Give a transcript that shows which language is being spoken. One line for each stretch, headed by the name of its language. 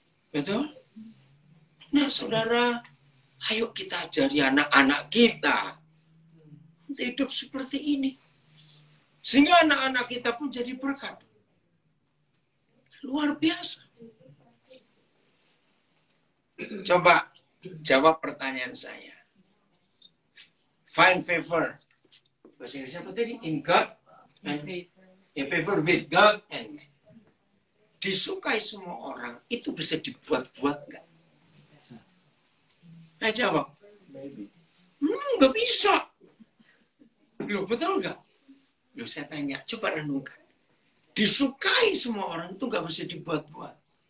Indonesian: Betul? Nah, saudara, ayo kita ajari anak-anak kita untuk hidup seperti ini. Sehingga anak-anak kita pun jadi berkat. Luar biasa. Coba jawab pertanyaan saya.
English: Find favor.
Indonesian: Bahasa Inggrisnya apa tadi?
English: In God and in favor with God and man.
Indonesian: Disukai semua orang, itu bisa dibuat-buat enggak? Saya jawab, nggak bisa. Lo betul nggak? Lo saya tanya, coba renungkan. Disukai semua orang itu nggak mesti dibuat-buat.